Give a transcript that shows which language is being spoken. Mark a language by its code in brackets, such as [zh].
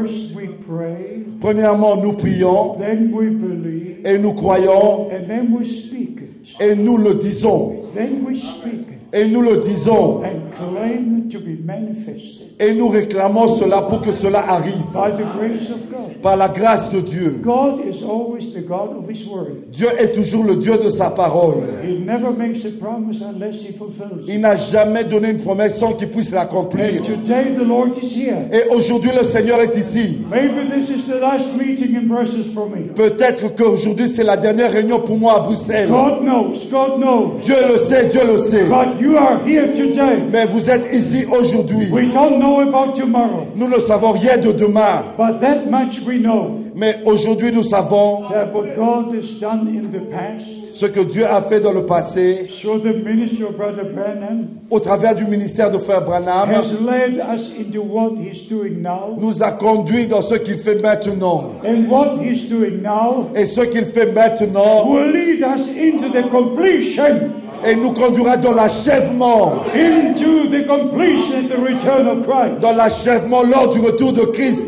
[en] First we pray, [fr] premièrement, nous prions, [en] then we believe, [fr] et nous croyons, [en] and then we speak it, [fr] et nous le disons, [en] then we speak it, [fr] et nous le disons, [en] and claim to be manifested, [fr] et nous réclamons cela pour que cela arrive [en] by the grace of God. [fr] Par la grâce de Dieu. [en] God is always the God of his word. [fr] Dieu est toujours le Dieu de sa parole. [en] He never makes a promise unless he fulfills it. [fr] Il n'a jamais donné une promesse sans qu'il puisse l'accomplir. [en] And today the Lord is here. [fr] Et aujourd'hui le Seigneur est ici. [en] Maybe this is the last meeting in Brussels for me. [fr] Peut-être qu'aujourd'hui c'est la dernière réunion pour moi à Bruxelles. [en] God knows, God knows. [fr] Dieu le sait, Dieu le sait. [en] But you are here today. [fr] Mais vous êtes ici aujourd'hui. [en] We don't know about tomorrow. [fr] Nous ne savons rien de demain. [en] But that much we know, [fr] mais aujourd'hui nous savons, [en] that what God has done in the past, [fr] ce que Dieu a fait dans le passé, [en] through the ministry of Brother Branham, [fr] au travers du ministère de Frère Branham, [en] has led us into what he's doing now, [fr] nous a conduit dans ce qu'il fait maintenant, [en] and what he's doing now, [fr] et ce qu'il fait maintenant, [en] will lead us into the completion, [fr] et nous conduira dans l'achèvement, [en] into the completion, the return of Christ, [fr] dans l'achèvement lors du retour de Christ.